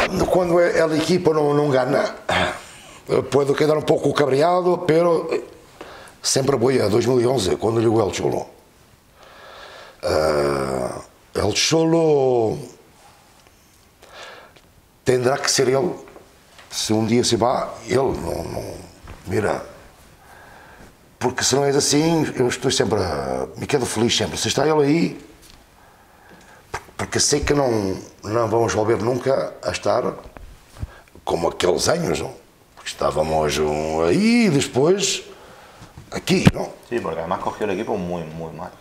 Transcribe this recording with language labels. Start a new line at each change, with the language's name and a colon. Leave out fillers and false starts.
Spanish: Cuando el equipo no gana, puedo quedar un poco cabreado, pero siempre voy a 2011, cuando llegó el Cholo. El Cholo tendrá que ser él. Si un día se va, él no mira.
Portuguese: Porque se não é assim, eu estou sempre,
Spanish: me quedo feliz
Portuguese: sempre. Se está ele aí, porque sei que não vamos volver nunca a estar como aqueles anos, não? Porque estávamos aí e depois aqui, não? Sim, porque además cogeu o equipo muito mal.